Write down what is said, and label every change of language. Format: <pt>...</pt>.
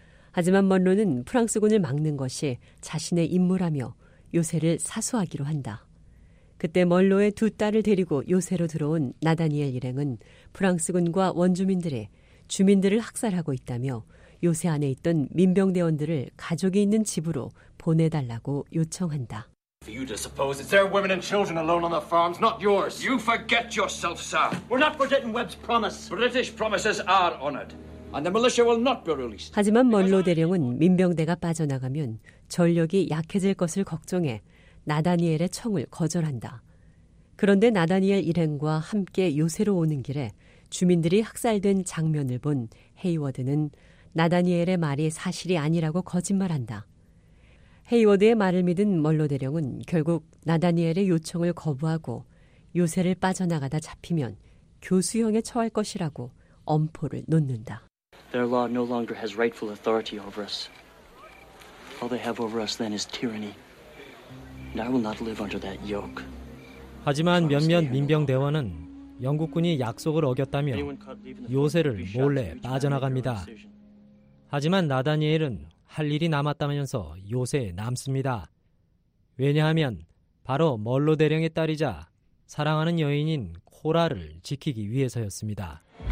<ko>하지만 멀로는 프랑스군을 막는 것이 자신의 임무라며 요새를 사수하기로 한다. 그때 멀로의 두 딸을 데리고 요새로 들어온 나다니엘 일행은 프랑스군과 원주민들의 주민들을 학살하고 있다며 요새 안에 있던 민병대원들을 가족이 있는 집으로 보내달라고 요청한다.</ko> <en>For you to suppose it's their women and children alone on the farms, not yours. You forget yourself, sir. We're not forgetting Webb's promise. British promises are honored. And the militia will not be released.</en> <ko>하지만 멀로 대령은 민병대가 빠져나가면 전력이 약해질 것을 걱정해 나다니엘의 청을 거절한다. 그런데 나다니엘 일행과 함께 요새로 오는 길에 주민들이 학살된 장면을 본 헤이워드는 나다니엘의 말이 사실이 아니라고 거짓말한다. 헤이워드의 말을 믿은 멀로 대령은 결국 나다니엘의 요청을 거부하고 요새를 빠져나가다 잡히면 교수형에 처할 것이라고 엄포를 놓는다.</ko> <en>Their law no longer has rightful authority over us. All they have over us then is tyranny. And I will not live under that yoke.</en> <ko>하지만 몇몇 민병 대원은 영국군이 약속을 어겼다며 요새를 몰래 빠져나갑니다. 하지만 나다니엘은 할 일이 남았다면서 요새에 남습니다. 왜냐하면 바로 멀로 대령의 딸이자 사랑하는 여인인 코라를 지키기 위해서였습니다.</ko>